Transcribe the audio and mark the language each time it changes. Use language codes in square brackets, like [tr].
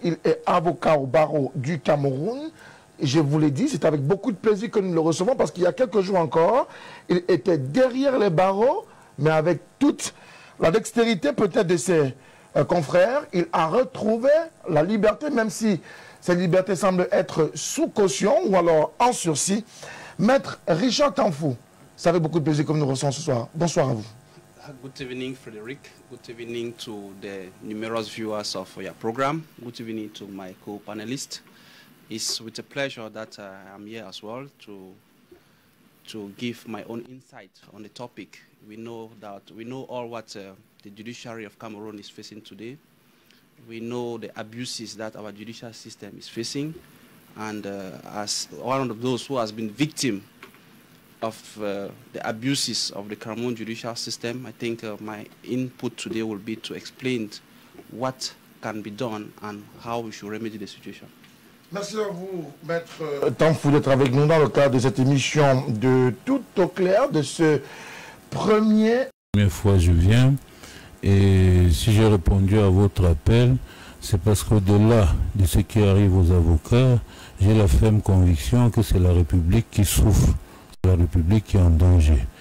[fr] Il est avocat au barreau du Cameroun. Je vous l'ai dit, c'est avec beaucoup de plaisir que nous le recevons parce qu'il y a quelques jours encore, il était derrière les barreaux, mais avec toute la dextérité peut-être de ses confrères, il a retrouvé la liberté, même si cette liberté semble être sous caution ou alors en sursis. Maître Richard Tanfou, c'est avec beaucoup de plaisir que nous le recevons ce soir. Bonsoir à vous. [en] Good evening, Frédéric. Good evening to the numerous viewers of your program. Good evening to my co-panelists. It's with a pleasure that I'm here as well to give my own insight on the topic. We know all what the judiciary of Cameroon is facing today. We know the abuses that our judicial system is facing. And as one of those who has been victim of the abuses of the Cameroon judicial system, I think my input today will be to explain what can be done and how we should remedy the situation. [fr] Merci à vous, Maître Tanfou, d'être avec nous dans le cadre de cette émission de Tout au clair, de ce premier... Première fois je viens, et si j'ai répondu à votre appel, c'est parce qu'au-delà de ce qui arrive aux avocats, j'ai la ferme conviction que c'est la République qui souffre, la République qui est en danger.